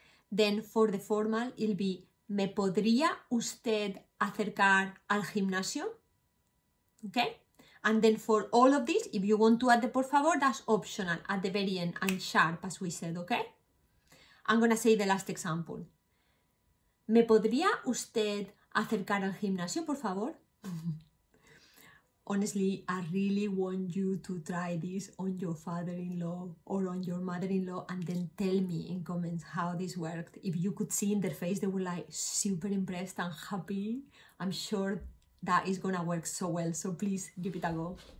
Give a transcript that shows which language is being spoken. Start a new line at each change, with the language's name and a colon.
English: Then for the formal, it'll be,
Spanish: me podría usted acercar al gimnasio,
English: okay? And then for all of this, if you want to add the por favor, that's optional at the very end and sharp, as we said, okay? I'm gonna say the last example.
Spanish: ¿Me podría usted acercar al gimnasio, por favor?
English: Honestly, I really want you to try this on your father-in-law or on your mother-in-law and then tell me in comments how this worked. If you could see in their face, they were like super impressed and happy. I'm sure that is gonna work so well. So please give it a go.